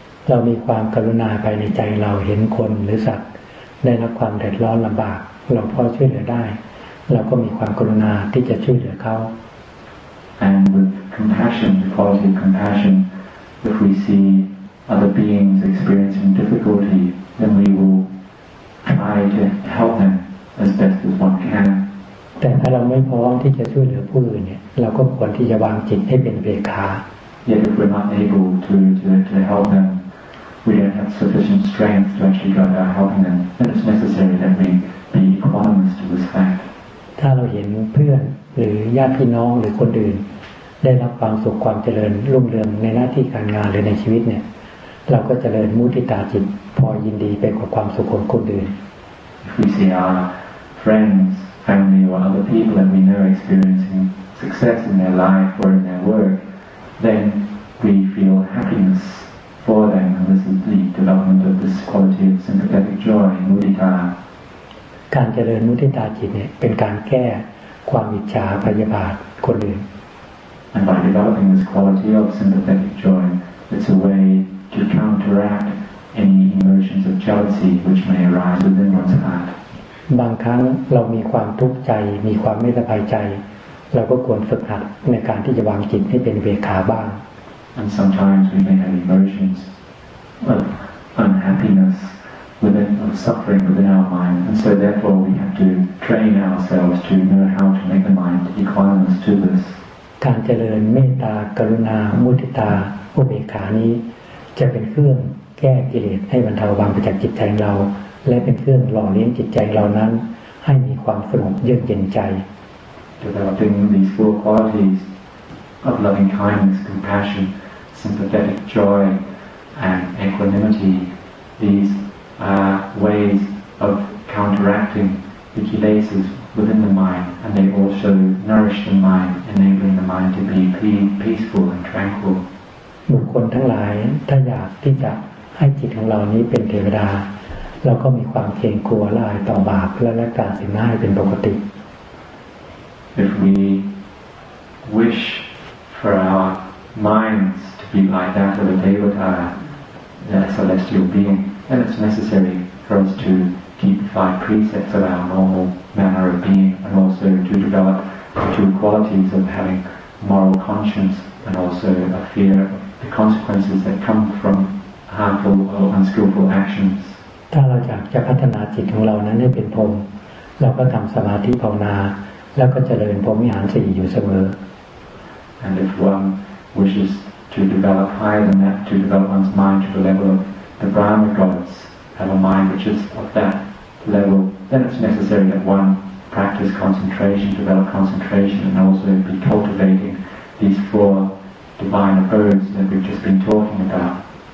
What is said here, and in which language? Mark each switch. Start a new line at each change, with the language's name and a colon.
Thai: รามีความกรุณาภายในใจเราเห็นคนหรือสัตว์ได้รับความเดือดร้อนลำบากเราพอช่วยเหลือได้เราก็มีความกรุณาที่จะช่วยเหลือเขา
English: and with compassion the quality of compassion if we see other beings experiencing difficulty then we will try to help them as best as one can
Thai: แต่ถ้าเราไม่พร้อมที่จะช่วยเหลือผู้อื่นเนี่ยเราก็ควรที่จะวางจิตให้เป็นเบกขา
English: Yet if we're not able to help them, we don't have sufficient strength to actually go about helping them. Then it's necessary that we be equanimous to this fact.
Thai: ถ้าเราเห็นเพื่อนหรือญาติพี่น้องหรือคนอื่นได้รับความสุขความเจริญรุ่งเรืองในหน้าที่การงานหรือในชีวิตเนี่ยเราก็เจริญมุทิตาจิตพอยินดีไปกับความสุขของคนอื่น
English: If we see our friendsfamily or other people that we know experiencing success in their life or in their work, then we feel happiness for them, and this is the development of this quality of sympathetic joy, mudita.
Thai: การเจริญมุทิตาจิตเนี่ยเป็นการแก้ความอิจฉาพยาบาทคนอื่น
English: And by developing this quality of sympathetic joy, it's a way to counteract any emotions of jealousy which may arise within one's heart.
Thai: บางครั้งเรามีความทุกข์ใจมีความไม่สบายใจเราก็ควรฝึกหัดในการที่จะวางจิตให้เป็นเวขาบ้าง
English: And sometimes we may have emotions of unhappiness within of suffering within our mind and so therefore we have to train ourselves to know how to make the mind equanimous to this
Thai: การเจริญเมตตากรุณามุทิตาอุเบกขานี้จะเป็นเครื่องแก้กิเลสให้บรรเทาบางประจักษ์จิตใจของเราและเป็นเครื่องหล่อเลี้ยงจิตใจเรานั้นให้มีความสงบเยือกเย็นใจ
English: Developing these four qualities of loving kindness, compassion, sympathetic joy, and equanimity, these are ways of counteracting the kilesas within the mind, and they also nourish the mind, enabling the mind to be peaceful and tranquil.
Thai: บุคคลทั้งหลายถ้าอยากที่จะให้จิตของเรานี้เป็นเทวดาเราก็มีความเกรงกลัวละอายต่อบาปและรักษาศีลให้เป็นปกติ
English: If we wish for our minds to be like that of a devata, that celestial being, then it's necessary for us to keep the five precepts of our normal manner of being and also to develop the two qualities of having moral conscience and also a fear of the consequences that come from harmful or unskillful actions
Thai: ถ้าเราอยากจะพัฒนาจิตของเรานั้นให้เป็นพรหมเราก็ทำสมาธิภาวนาแล้วก็เจริญพรหมวิหารสี่อยู่เสมอ
English: And if one wishes to develop higher than that, to develop one's mind to the level of the Brahma gods, have a mind which is of that level, then it's necessary that one practice concentration, develop concentration, and also be cultivating these four divine abodes that we've just been talking about.